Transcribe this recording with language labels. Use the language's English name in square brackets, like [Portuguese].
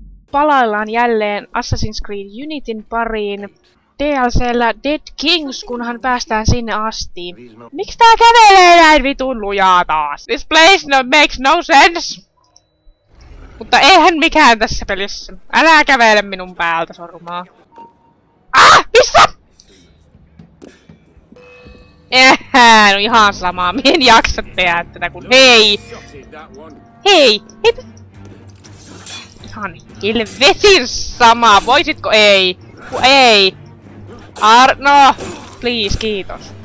[Finnish] Palaillaan jälleen Assassin's Creed Unityn pariin. DLC:llä Dead Kings, kunhan päästään sinne asti. Miksi tää kävelee näin vitun lujaa taas? [English] This place no, makes no sense! [Finnish] Mutta eihän mikään tässä pelissä. Älä kävele minun päältä, sormaa. Ah! Missä? Ehää, no ihan samaa. Mien jaksa tehdä tätä kun... Hei! Hei! Hei! Ihan helvetin sama. Voisitko? Ei. Ei. Arno! Please, kiitos.